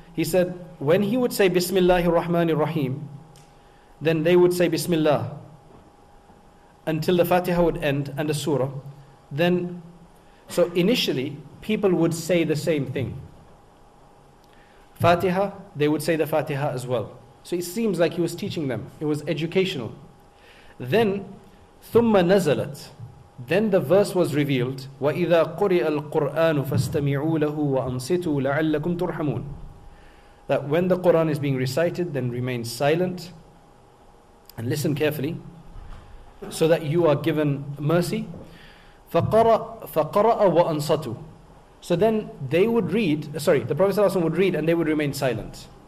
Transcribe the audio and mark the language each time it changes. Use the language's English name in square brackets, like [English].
[English] He said, when he would say Bismillahir Rahmanir Rahim, then they would say Bismillah until the Fatiha would end and the surah. Then, so initially, people would say the same thing. Fatiha, they would say the Fatiha as well. So it seems like he was teaching them. It was educational. [Arabic] Then, ثُمَّ نَزَلَتْ. [English] Then the verse was revealed, [Arabic] وَإِذَا قُرِئَ الْقُرْآنُ فَاسْتَمِعُوا لَهُ وَأَنصِتُوا لَعَلَّكُمْ تُرْحَمُونَ. [English] That when the Quran is being recited, then remain silent and listen carefully so that you are given mercy. [Arabic] فَقَرَأَ وَأَنصَتُوا. [English] So then they would read, sorry, the Prophet ﷺ would read and they would remain silent.